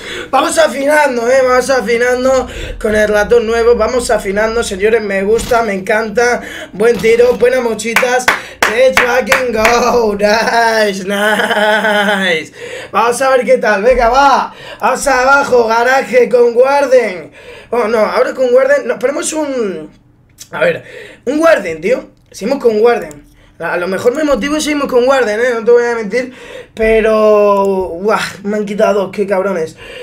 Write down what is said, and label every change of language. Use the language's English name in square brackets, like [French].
[Spanish] Vamos afinando, vamos afinando con el ratón nuevo. Vamos afinando, señores, me gusta, me encanta. Buen tiro, buenas mochitas. [English] Let's fucking go, nice, nice. [Spanish] Vamos a ver qué tal, venga, va. Vamos abajo, garaje con Warden. Oh, no, ahora con Warden. Nos ponemos un... A ver, un Warden, tío. Seguimos con Warden. A lo mejor me motivo y seguimos con Warden, no te voy a mentir. Pero... ¡buah! Me han quitado, qué cabrones.